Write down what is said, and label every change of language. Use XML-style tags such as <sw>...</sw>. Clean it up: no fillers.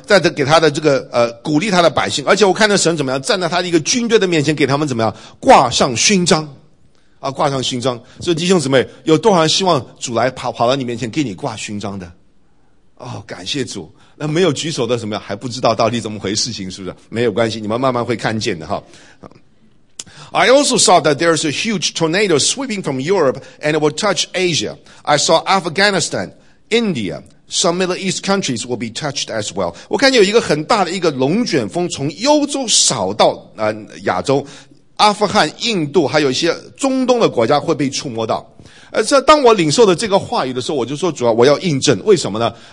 <zh>在给他的这个鼓励他的百姓，而且我看到神怎么样站在他的一个军队的面前，给他们怎么样挂上勋章，啊，挂上勋章。所以弟兄姊妹，有多少人希望主来跑到你面前给你挂勋章的？哦，感谢主。那没有举手的怎么样？还不知道到底怎么回事情是不是？没有关系，你们慢慢会看见的哈。</zh> <en>I also saw that there's a huge tornado sweeping from Europe and it will touch Asia. I saw Afghanistan, India. Some Middle East countries will be touched as well.</en> <zh>我看见有一个很大的一个龙卷风从欧洲扫到亚洲，阿富汗、印度还有一些中东的国家会被触摸到。这当我领受的这个话语的时候，我就说主要我要印证，为什么呢？</zh>